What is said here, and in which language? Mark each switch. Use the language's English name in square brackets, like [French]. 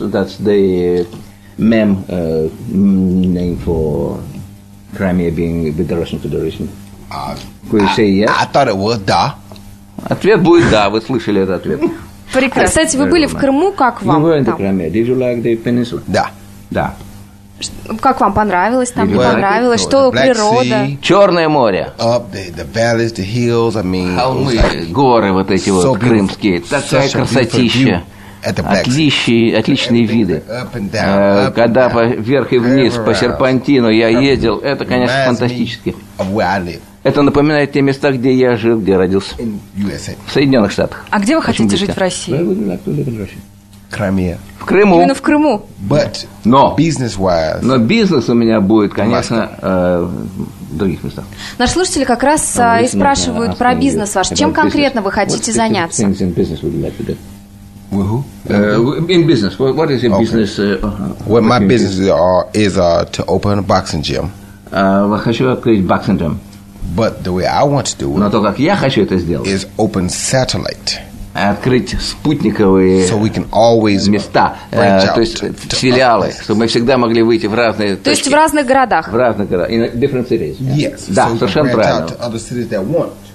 [English] That's the mem name for Crimea being with the Russian Federation. Could you say yes? I thought it was да. [Russian] Ответ будет да, вы слышали этот ответ. Прекрасно. Кстати, вы были в Крыму, как вам? Мы были на Крыме. [English] Did you like the peninsula? [Russian] Да. Да. Как вам понравилось там? Не понравилось? Что природа? Черное море. [English] Up the valleys, the hills. I mean, [Russian] холмы, горы вот эти вот крымские. Такая красотища. Отличные виды. Когда вверх и вниз по серпантину я ездил, это, конечно, фантастически. Это напоминает те места, где я жил, где родился. В Соединенных Штатах. А где вы хотите жить в России? Крыме. В Крыму. Именно в Крыму. [English] But [Russian] но. [English] Business-wise, [Russian] но бизнес у меня будет, конечно, в других местах. Наши слушатели как раз и спрашивают про бизнес ваш. Чем конкретно вы хотите заняться? [English] What in business would you like to do? In business. What is your business? Well, my business is to open a boxing gym. [Russian] Я хочу открыть [English] boxing gym. But the way I want to do it. [Russian] Но то, как я хочу это сделать. [English] Is open satellite. [Russian] Открыть спутниковые [English] so we can always [Russian] места, то есть филиалы, чтобы мы всегда могли выйти в разные то есть в разных городах. В разных городах. [English] In different cities. Yes. Yeah. [Russian] Да, so совершенно правильно. [English] To other cities that want.